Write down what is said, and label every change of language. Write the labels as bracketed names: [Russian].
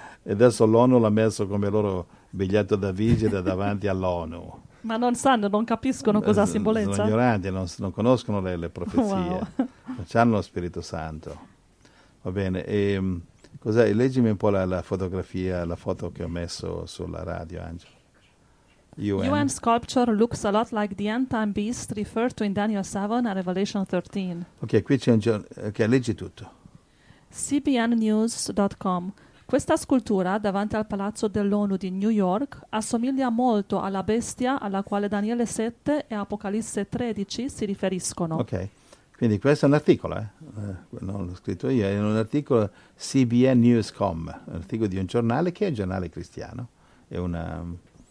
[Italian] E adesso l'ONU l'ha messo come loro biglietto da visita davanti all'ONU. Ma non sanno, non capiscono cosa simboleggia. Sono ignoranti, non conoscono le profezie. Wow. Non hanno lo Spirito Santo. Va bene. E, cos'è? Leggimi un po' la fotografia, la foto che ho messo sulla radio, Angelo. [English] UN sculpture looks a lot like the end time beast referred to in Daniel 7 and Revelation 13. [Italian] Ok, qui c'è un leggi tutto. CBNnews.com. Questa scultura davanti al palazzo dell'ONU di New York assomiglia molto alla bestia alla quale Daniele 7 e Apocalisse 13 si riferiscono. Ok, quindi questo è un articolo, non l'ho scritto io, è un articolo CBNnews.com, un articolo di un giornale che è un giornale cristiano, è una...